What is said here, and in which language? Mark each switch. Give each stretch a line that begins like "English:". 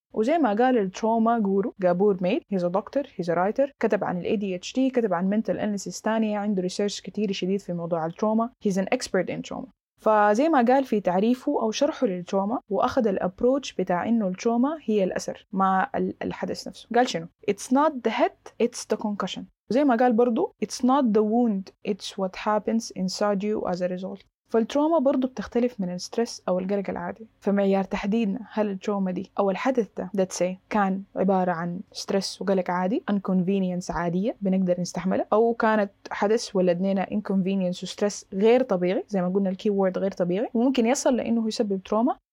Arabic: وزي ما قال التروما جورو جابور ميت،
English: he's a doctor he's a writer،
Arabic: كتب عن الـ ADHD، كتب عن mental illnesses تانية، عنده research كتير شديد في موضوع التروما،
English: he's an expert in trauma.
Arabic: فزي ما قال في تعريفه أو شرحه للتروما، وأخذ الأبروتش بتاع إنه التروما هي الأثر مع الحدث نفسه، قال شنو؟
English: It's not the head, it's the concussion.
Arabic: وزي ما قال برضو
English: It's not the wound, it's what happens inside you as a result.
Arabic: فالتروما برضو بتختلف من الستريس أو القلق العادي، فمعيار تحديدنا هل التروما دي أو الحدث ده
English: that say
Arabic: كان عبارة عن ستريس وقلق عادي inconvenience عادية بنقدر نستحملها، أو كانت حدث ولدنا inconvenience وستريس غير طبيعي زي ما قلنا الكي وورد غير طبيعي وممكن يصل لأنه يسبب تروما.